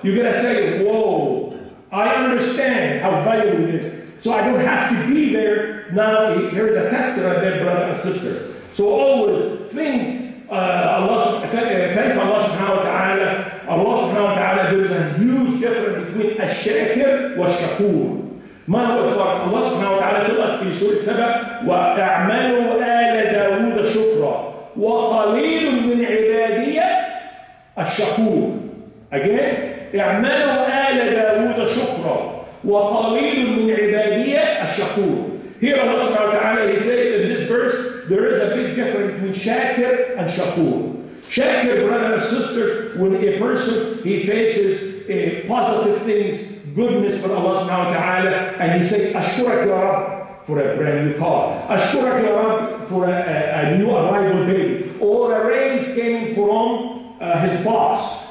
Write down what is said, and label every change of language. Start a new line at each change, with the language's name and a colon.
English: You're gonna say, whoa, I understand how valuable it is. So I don't have to be there. Now here's a tester of their brother and sister. So always think thank Allah subhanahu wa ta'ala. Allah subhanahu wa ta'ala, there's a huge difference between الشاكر والشكور.
Arabic: ما هو الفرق؟ الله سبحانه وتعالى تقول في سورة سبع: وأعملوا آل داود شكرا وقليل من عبادي الشكور. أجل؟ اعملوا آل داود شكرا وقليل من عبادي الشكور.
English: Here Allah سبحانه وتعالى he said in this verse there is a big difference between شاكر and شكور. شاكر brother and sister when a person he faces positive things, goodness from Allah subhanahu wa ta'ala, and he said,
Arabic: Ashkurak ya Rab
English: for a brand new car, Ashkurak ya Rab for a new arrival baby, or a raise came from his boss.